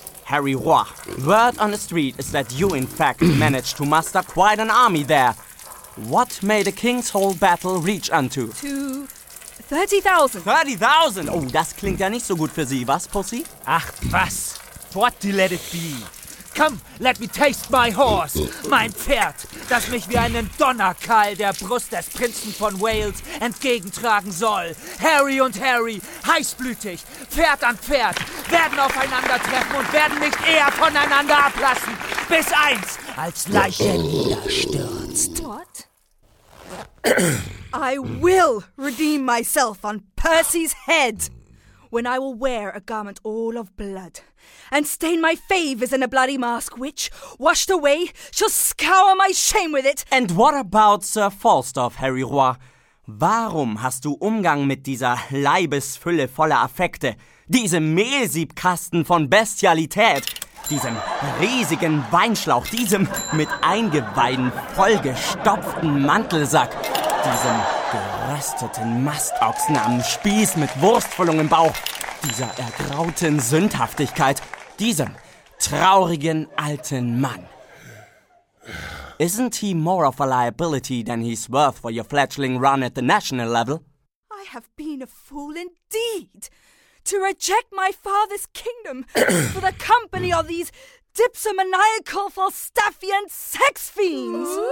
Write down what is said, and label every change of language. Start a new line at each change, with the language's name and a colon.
English: Harry Roy, word on the street is that you in fact managed to muster quite an army there. What may the King's Hall battle reach unto? To 30,000. 30,000?
German: Oh, das klingt ja nicht so gut für Sie, was, Pussy? Ach, was?
English: What do let it be? Come, let me taste my horse,
German: mein Pferd, das mich wie einen Donnerkeil der Brust des Prinzen von Wales entgegentragen soll. Harry und Harry, heißblütig, Pferd an Pferd, werden aufeinandertreffen und werden nicht eher voneinander ablassen, bis eins als Leiche niederstürzt.
English: What? I will redeem myself on Percy's head. When I will wear a garment all of blood, and stain my favors in a bloody mask, which, washed away, shall scour my shame with it. And what about Sir Falstaff, Harry Roy?
German: Warum hast du Umgang mit dieser Leibesfülle voller Affekte, diesem Mehlsiebkasten von Bestialität, diesem riesigen Weinschlauch, diesem mit Eingeweiden vollgestopften Mantelsack, diesem gerösteten Mastochsen am Spieß mit Wurstfüllung im Bauch, dieser ergrauten Sündhaftigkeit, diesem traurigen alten Mann?
English: Isn't he more of a liability than he's worth for your fledgling run at the national level? I have been a fool indeed to reject my father's kingdom for the company of these dipsomaniacal Falstaffian sex fiends.